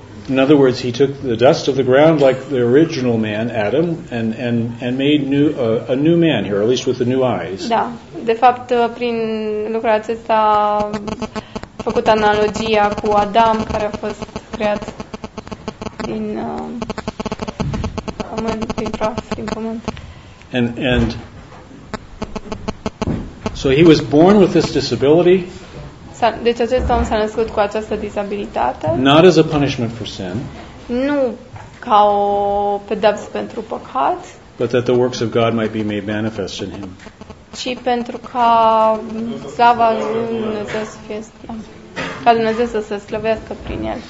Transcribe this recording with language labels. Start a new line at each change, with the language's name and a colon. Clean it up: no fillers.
English: In other words, he took the dust of the ground like the original man Adam and made a new man here, at least with the new eyes.
Romanian: Da. De fapt, prin lucrul acesta a făcut analogia cu Adam care a fost creat din pământ, din praf, din pământ.
English: And so he was born with this disability.
Romanian: Deci acest om s-a născut cu această disabilitate.
English: Not as a punishment for sin.
Romanian: Nu ca o pedeapsă pentru păcat.
English: But that the works of God might be made manifest in him.
Romanian: Ci pentru ca slava lui Dumnezeu să fie, ca Dumnezeu să se slăvească prin el.